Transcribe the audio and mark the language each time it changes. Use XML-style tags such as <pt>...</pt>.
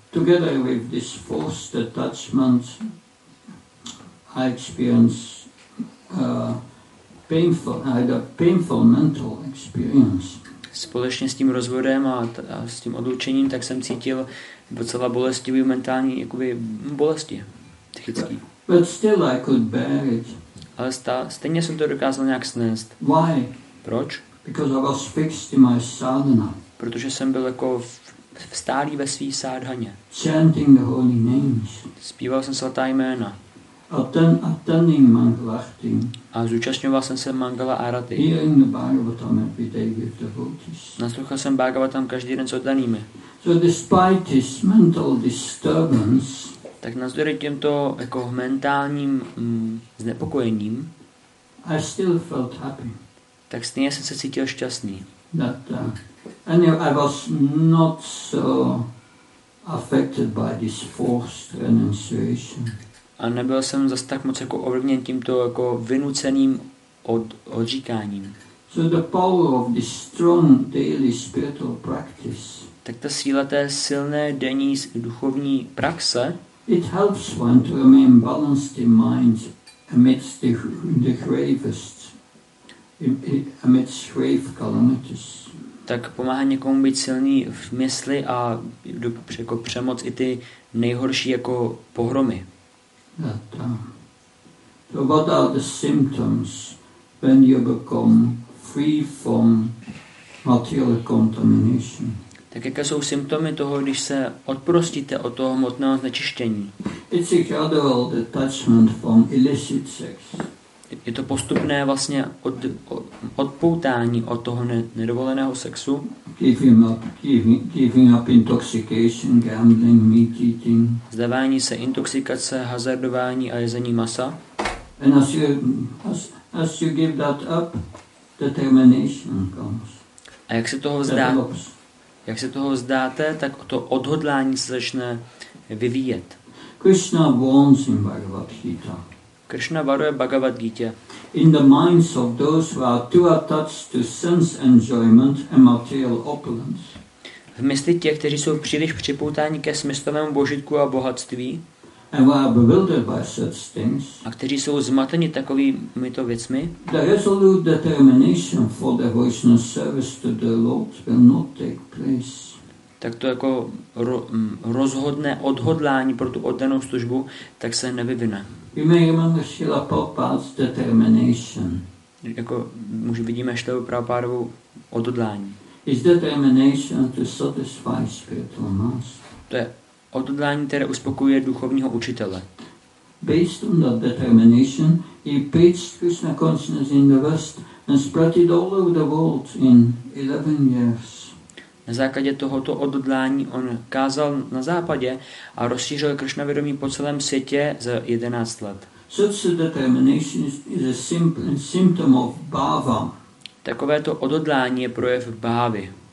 <en>Together with this forced attachment, I experienced a painful mental experience.</en> <cs>Společně s tím rozvodem a s tím odlučením, tak jsem cítil docela bolestivý mentální jakoby bolesti psychický.</cs> <en>But still I could bear it.</en> <cs>Ale stejně jsem to dokázal nějak snést.</cs> <en>Why?</en> <cs>Proč?</cs> <en>Because I was fixed in my sadhana.</en> <cs>Protože jsem byl jako vstálý ve svý sádhaně.</cs> <en>Chanting the holy names.</en> <cs>Zpíval jsem svatá jména.</cs> <en>Attending Mangala Arati.</en> <cs>A zúčastňoval jsem se Mangala Arati.</cs> <en>Hearing the Bhagavatam every day with devotees.</en> <cs>Naslouchal jsem Bhagavatam každý den s oddanými.</cs> <en>So despite this mental disturbance,</en> <cs>tak navzdory těmto jako mentálním znepokojením,</cs> <en>I still felt happy.</en> <cs>Tak stejně jsem se cítil šťastný.</cs> <en>I was not so affected by this forced renunciation.</en> <cs>A nebyl jsem zase tak moc jako ovlivněn tímto jako vynuceným odříkáním.</cs> <en>So the power of this strong daily spiritual practice.</en> <cs>Tak ta síla té silné denní duchovní praxe.</cs> <en>It helps one to remain balanced in mind amidst the gravest, amidst grave calamities.</en> <cs>Tak pomáhá někomu být silný v mysli a jako přemoc i ty nejhorší jako pohromy.</cs> <en>So what are the symptoms when you become free from material contamination?</en> <cs>Tak jaké jsou symptomy toho, když se odprostíte od toho hmotného znečištění?</cs> <en>It's a gradual detachment from illicit sex.</en> <cs>Je to postupné vlastně odpoutání od toho nedovoleného sexu.</cs> <en>Giving up intoxication, gambling, meat eating.</en> <cs>Zdávání se intoxikace, hazardování a jezení masa.</cs> <en>And as you give that up, determination comes.</en> <cs>A jak se toho vzdáte, tak to odhodlání se začne vyvíjet.</cs> <en>Krishna warns in Bhagavad Gita.</en> <cs>Krishna varuje Bhagavad Gita.</cs> <en>In the minds of those who are too attached to sense enjoyment and material opulence.</en> <cs>V mysli těch, kteří jsou příliš připoutáni ke smyslovému božitku a bohatství.</cs> <en>And who are bewildered by such things.</en> <cs>A kteří jsou zmateni takovýmito věcmi.</cs> <en>The resolute determination for devotional service to the Lord will not take place.</en> <cs>Tak to jako rozhodné odhodlání pro tu oddanou službu, tak se nevyvine.</cs> <en>You may remember Srila Prabhupada's determination.</en> <cs>Jako vidíme Srila Prabhupádovu odhodlání.</cs> <en>His determination to satisfy spiritual master.</en> <cs>To je odhodlání, které uspokojuje duchovního učitele.</cs> <en>Based on that determination, he preached Krishna consciousness in the West and spread it all over the world in 11 years.</en> <cs>Na základě tohoto odhodlání on kázal na západě a rozšířil Krishna vědomí po celém světě za 11 let.</cs> <en>Such a determination is a symptom of bhava.</en> <cs>Takovéto odhodlání je projev bhavy.</cs>